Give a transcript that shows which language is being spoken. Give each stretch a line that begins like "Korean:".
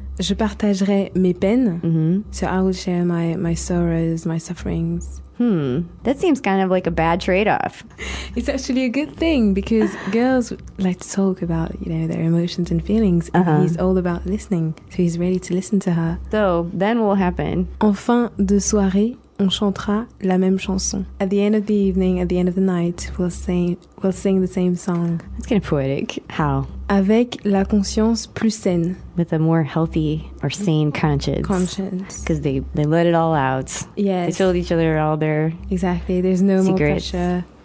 French: Je partagerai mes peines.
English: Mm-hmm. So I will share my sorrows, my sufferings. That seems kind of like a bad trade-off. It's actually a good thing, because girls like to talk about, you know, their emotions and feelings. And he's all about listening, so he's ready to listen to her. So then what will happen?
French: En fin de soirée, on chantera la même chanson.
English: At the end of the evening, at the end of the night, we'll sing the same song. It's kind of poetic. How?
French: Avec la conscience plus saine.
English: With a more healthy or sane conscience. Conscience. Because they let it all out. Yes. They told each other all their secrets. Exactly. There's no more pressure.